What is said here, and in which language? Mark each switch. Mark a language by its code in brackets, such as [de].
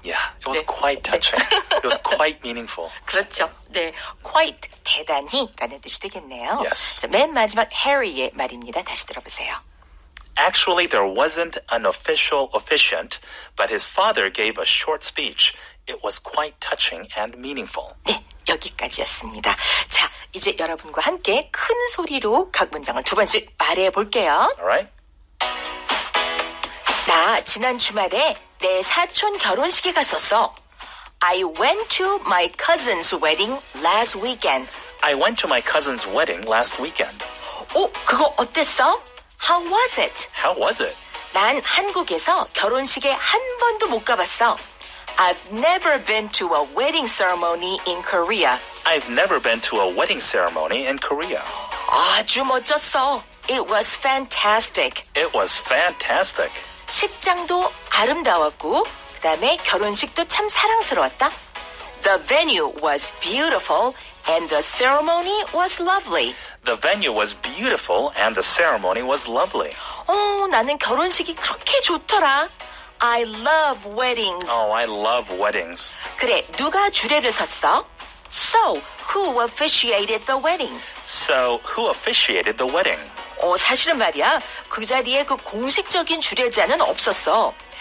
[en] Yeah, it was 네. quite touching. 네. It was quite meaningful. [ko] 그렇죠. 네, quite 대단히라는 뜻이 되겠네요. [en] Yes. [ko] 자, 맨 마지막 Harry의 말입니다. 다시 들어보세요. [en] Actually, there wasn't an official officiant, but his father gave a short speech. It was quite touching and meaningful. [ko] 네, 여기까지였습니다. 자, 이제 여러분과 함께 큰 소리로 각 문장을 두 번씩 말해 볼게요. [en] Alright. [ko] 나 지난 주말에 내 사촌 결혼식에 갔었어. [en] I went to my cousin's wedding last weekend. I went to my cousin's wedding last weekend. [ko] 오, 그거 어땠어? [en] How was it? How was it? [ko] 난 한국에서 결혼식에 한 번도 못 가봤어. [en] I've never been to a wedding ceremony in Korea. I've never been to a wedding ceremony in Korea. [ko] 아주 멋졌어. [en] It was fantastic. It was fantastic. [ko] 식장도 아름다웠고 그다음에 결혼식도 참 사랑스러웠다. [en] The venue was beautiful and the ceremony was lovely. The venue was beautiful and the ceremony was lovely. [ko] 어, 나는 결혼식이 그렇게 좋더라. [en] I love weddings. Oh, I love weddings. [ko] 그래, 누가 주례를 섰어? [en] So, who officiated the wedding? So, who officiated the wedding? [ko] 어, 사실은 말이야. 그 자리에 그 공식적인 주례자는 없었어.